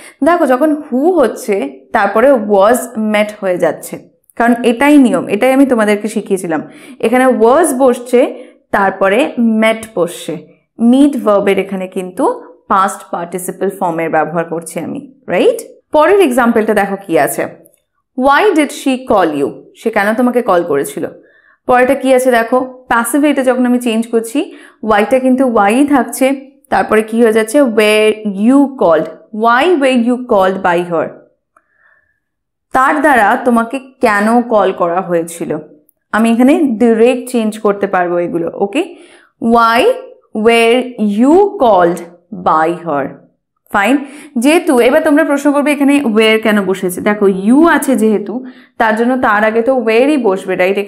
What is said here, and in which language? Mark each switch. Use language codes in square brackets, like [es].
[bn] দেখো যখন হু হচ্ছে তারপরে ওয়াজ মেট হয়ে যাচ্ছে, কারণ এটাই নিয়ম, এটাই আমি তোমাদেরকে শিখিয়েছিলাম, এখানে ওয়াজ বসছে তারপরে মেট বসছে, মিট ভার্বের এখানে কিন্তু পাস্ট পার্টিসিপল ফর্মের ব্যবহার করছি আমি, রাইট? পরের এক্সাম্পলটা দেখো কি আছে, [en] Why did she call you? [bn] সে কেন তোমাকে কল করেছিল, পরেটা কি আছে দেখো, প্যাসিভ এটা যখন আমি চেঞ্জ করছি ওয়াইটা কিন্তু ওয়াই থাকছে, তারপরে কি হয়ে যাচ্ছে, [en] Where you called? Why were you called by her? [bn] তার দ্বারা তোমাকে কেন কল করা হয়েছিল, আমি এখানে ডিরেক্ট চেঞ্জ করতে পারবো এগুলো, ওকে, [en] Why were you called by her? [bn] Fine, যেহেতু এবার তোমরা প্রশ্ন করবে এখানে ওয়ের কেন বসেছে, দেখো ইউ আছে যেহেতু তার জন্য তার আগে তো ওয়েরই বসবে, রাইট?